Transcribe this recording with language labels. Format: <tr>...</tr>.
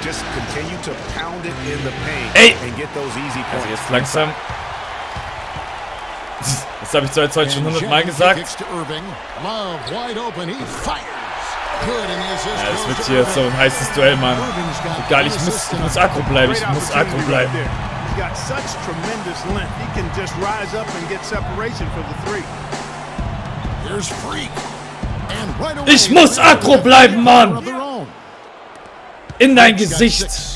<en>Just continue to pound it in the paint. Ey. And get those easy points.</en> <de>Also jetzt langsam. Das habe ich zwar jetzt schon 100 Mal gesagt.</de> <en>Love wide open. He fires. Good and</en> <de>ja, es wird hier so ein heißes Duell, Mann. Egal, ich muss aggro bleiben. Ich muss aggro bleiben.</de> <en>He's got such tremendous length. He can just rise up and get separation for the three. Here's Freak. And right away.</en> <de>Ich muss aggro bleiben, Mann. In dein Gesicht!</de>